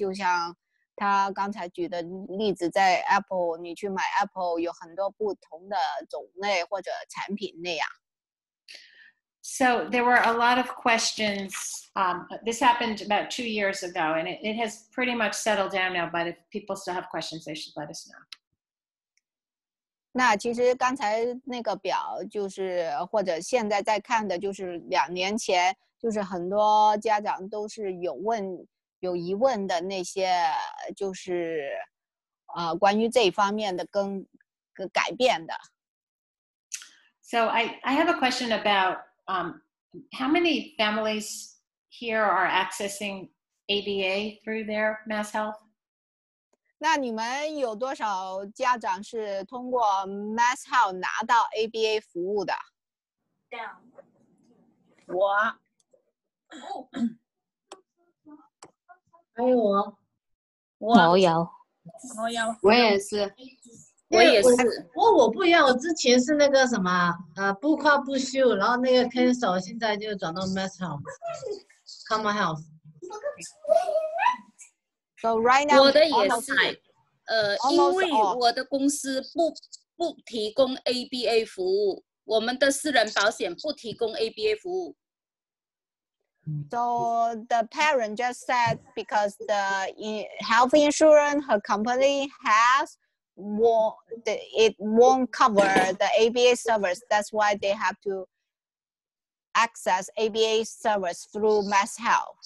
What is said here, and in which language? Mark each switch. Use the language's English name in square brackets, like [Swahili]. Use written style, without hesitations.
[Chinese] 就像他刚才举的例子，在 Apple 你去买 Apple 有很多不同的种类或者产品那样。 [English] So there were a lot of questions. This happened about 2 years ago, and it has pretty much settled down now, but if people still have questions, they should let us know. [Chinese] 那其实刚才那个表就是，或者现在在看的就是两年前，就是很多家长都是有问，有疑问的那些就是关于这方面的改变的。 [English] So I have a question about how many families here are accessing ABA through their MassHealth? [Chinese] 那你们有多少家长是通过 MassHealth 拿到 ABA 服务的？ [English] Down. [Chinese] 我。还有我。我有。我有。我也是。我不一样，我之前是那个什么不夸不休，然后那个 cancel， 现在就转到 mass health， common health。 [English] So right now, [Chinese] 我的也是，因为我的公司不提供 ABA 服务，我们的私人保险不提供 ABA 服务。 [English] So the parent just said because the health insurance her company has. It won't cover the ABA servers. That's why they have to access ABA servers through MassHealth.